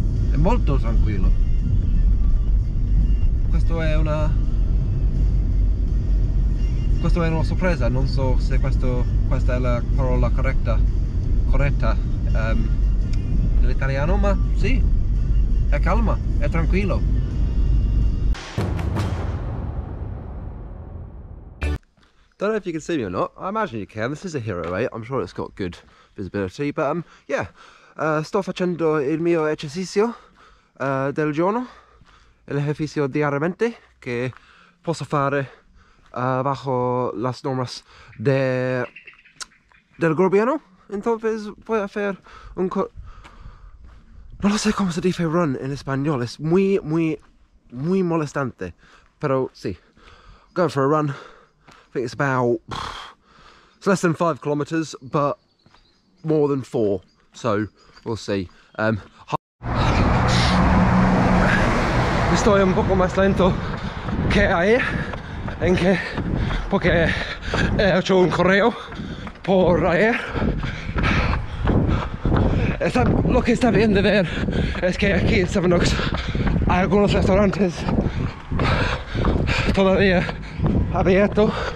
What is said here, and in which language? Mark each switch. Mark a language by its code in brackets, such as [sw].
[it] È molto tranquillo. Questo è una sorpresa, non so se questa è la parola corretta dell'italiano, ma sì, è calma, è tranquillo. [en] Don't know if you can see me or not. I imagine you can. This is a hero, right? I'm sure it's got good visibility, but yeah. [it] Sto facendo il mio esercizio del giorno, l'esercizio diariamente che posso fare [es] bajo las normas del gobierno. Entonces voy a hacer un [it] non lo so come si dice [es] run in español. Es muy muy muy molestante, pero sí. [en] Going for a run. I think it's less than 5 kilometers, but more than 4, so we'll see. [es] Estoy un poco más lento que ayer, en que porque he hecho un correo por ayer. Lo que está bien de ver es que aquí en Seven Oaks hay algunos restaurantes todavía abiertos.